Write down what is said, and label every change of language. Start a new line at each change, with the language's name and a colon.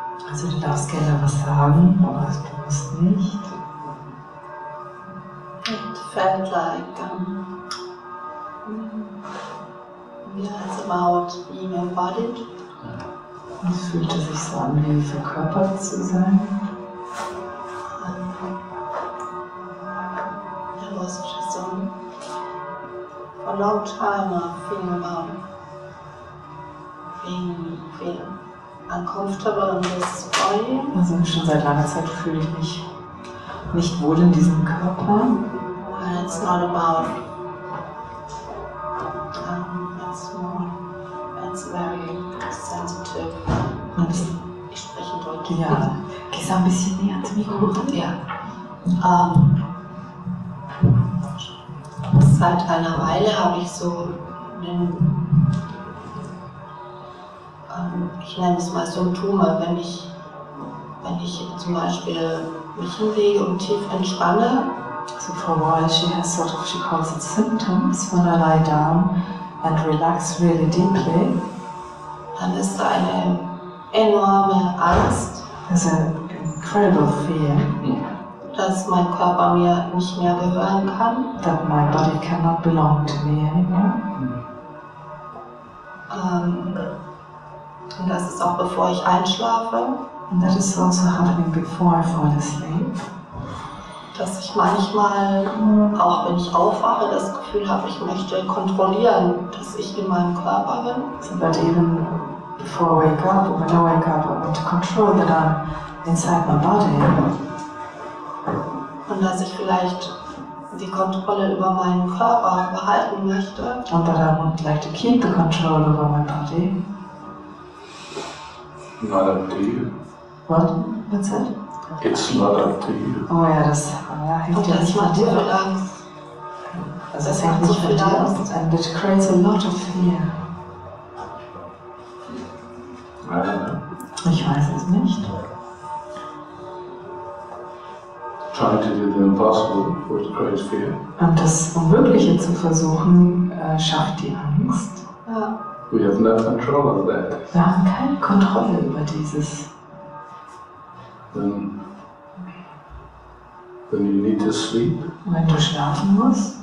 German: Also du darfst gerne was sagen, aber es brauchst nicht.
English: It felt like about being embodied.
German: Und es fühlte sich so an, wie verkörpert zu sein.
English: It was just a long time feeling about being uncomfortable in this body.
German: Also schon seit langer Zeit fühle ich mich nicht wohl in diesem Körper.
English: And it's not about it's more, it's very sensitive.
German: Und ich spreche Deutsch. Ja, besser ein bisschen näher zum Mikro ran. Ja. Seit einer Weile habe ich so einen, ich nenne es mal Symptome, wenn ich zum Beispiel mich hinlege und tief entspanne.
English: So for a while she has sort of, she calls it symptoms, when I lie down and relax really deeply.
German: Dann ist da eine enorme Angst.
English: There's an incredible fear.
German: Dass mein Körper mir nicht mehr gehören kann.
English: That my body cannot belong to me anymore.
German: Und das ist auch bevor ich einschlafe.
English: And that is also happening before I fall asleep.
German: Dass ich manchmal, auch wenn ich aufwache, das Gefühl habe, ich möchte kontrollieren, dass ich in meinem Körper bin.
English: So that even before I wake up, or when I wake up, I want to control that I'm inside my body.
German: Und dass ich vielleicht die Kontrolle über meinen Körper behalten möchte.
English: And that I would like to keep the control over my body. Not a deal. What? What's that? It's not up to you.
German: Oh ja, das hilft ja nicht mal dir. Also es hängt nicht von dir aus.
English: And it creates a lot of fear.
German: Ich weiß es nicht.
English: Trying to do the impossible would create fear.
German: Und das Unmögliche zu versuchen, schafft die Angst. Ja.
English: We have no control of that.
German: Wir haben keine Kontrolle über dieses.
English: Then you need to sleep.
German: Wenn du schlafen musst.